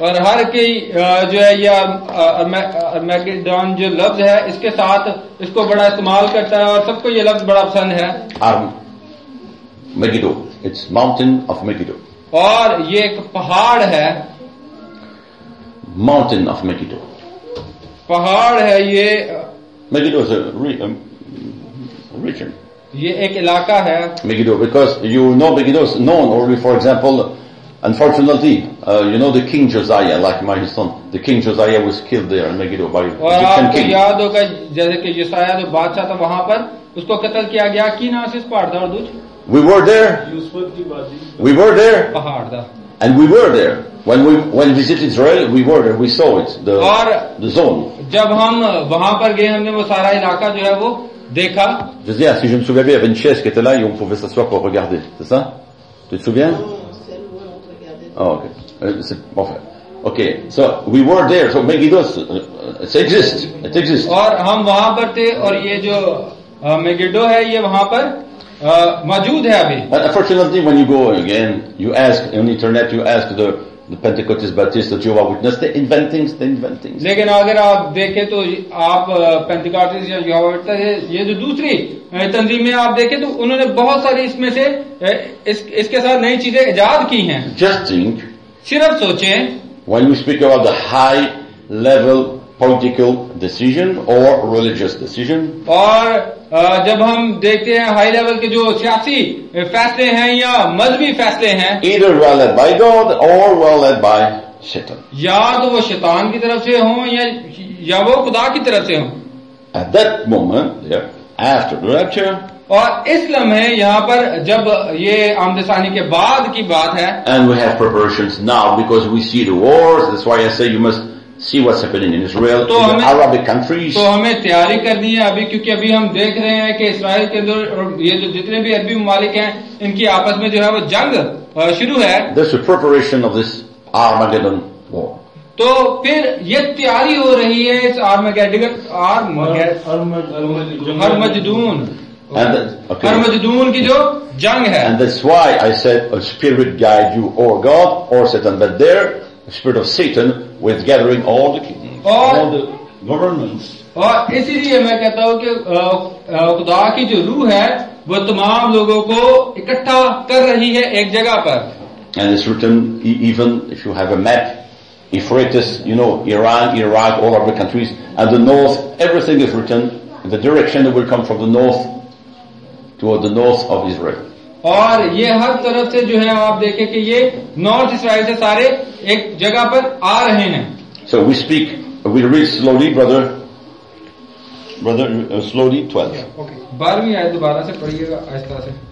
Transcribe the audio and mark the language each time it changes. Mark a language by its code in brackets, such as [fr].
[hi] और हर कई जो है ये Armageddon जो लफ्ज है इसके साथ इसको बड़ा इस्तेमाल करता है और सबको ये लफ्ज बड़ा पसंद है। [en] Armageddon, it's mountain of Megiddo. [hi] और ये एक पहाड़ है। [en] Mountain of Megiddo. [hi] पहाड़ है ये। [en] Megiddo is a region. [hi] ये एक इलाका है [en] Megiddo, because you know Megiddo is known only for example, unfortunately, you know the king Josiah, like my son, the king Josiah was killed there in Megiddo by the king. [hi] और याद होगा जैसे कि जोसाया जो बादशाह था वहां पर उसको कत्ल किया गया की ना इस पहाड़ था और दूध। [en] We were there. We were there. [hi] पहाड़ था। [en] And we were there when we visited Israel. We were there. We saw it. The [hi] और [en] the zone. [hi] जब हम वहां पर गए हमने वो सारा इलाका जो है वो देखा। [fr] Je sais, si je me souviens bien, il y avait une chaise qui était là et on pouvait s'asseoir pour regarder, c'est ça? Tu te souviens? Oh, [en] okay. [fr] C'est bon, enfin. [en] Okay. So we were there. So Megiddo, it exists. [hi] और हम वहाँ पर थे और ये जो Megiddo है ये वहाँ पर मौजूद है अभी। [en] But unfortunately, when you go again, you ask on the internet, you ask the The Pentecostists, Baptists, the Jehovah's Witnesses, they invent things, they invent things. [hi] लेकिन अगर आप देखें तो आप Pentecostists या Jehovah's Witnesses ये जो दूसरी तंजीम में आप देखें तो उन्होंने बहुत सारी इसमें से इसके साथ नई चीजें इजाद की हैं. [en] Just think. [hi] सिर्फ सोचें. [en] When you speak about the high level political decision or religious decision. [hi] और जब हम देखते हैं हाई लेवल के जो सियासी फैसले हैं या मजहबी फैसले हैं [en] either well led by God or well led by Satan. [hi] या तो वो शैतान की तरफ से हों या वो खुदा की तरफ से हों [en] At that moment, yeah, after the rapture, [hi] और इस लम्हे यहाँ पर जब ये आमदेसानी के बाद की बात है [en] And we have preparations now because we see the wars, that's why I say you must See what's happening in Israel, [hi] तो [en] in the Arabic countries. [hi] तो हमें तैयारी करनी है अभी क्योंकि अभी हम देख रहे हैं कि इसराइल के अंदर ये जो जितने भी अरबी ममालिक हैं इनकी आपस में जो है वो जंग शुरू है. [en] This is preparation of this Armageddon war. [hi] तो फिर ये तैयारी हो रही है इस Armageddon [en] Armageddon. And [hi] Armageddon की जो जंग है. [en] And that's why I said a spirit guide you, or God, or Satan, but there. Spirit of Satan with gathering all the kings, all the governments. [hi] और इसीलिए मैं कहता हूँ कि खुदा की जो रूह है वो तमाम लोगों को इकट्ठा कर रही है एक जगह पर. [en] And it's written even if you have a map, Euphrates, you know, Iran, Iraq, all of the countries, and the north, everything is written in the direction that will come from the north toward the north of Israel. [hi] और ये हर तरफ से जो है आप देखें कि ये नॉर्थ इसराइल से सारे एक जगह पर आ रहे हैं. [en] So we speak, we read slowly, brother, slowly, 12. [hi] बारहवीं आयत दोबारा से पढ़िएगा आहिस्ता से.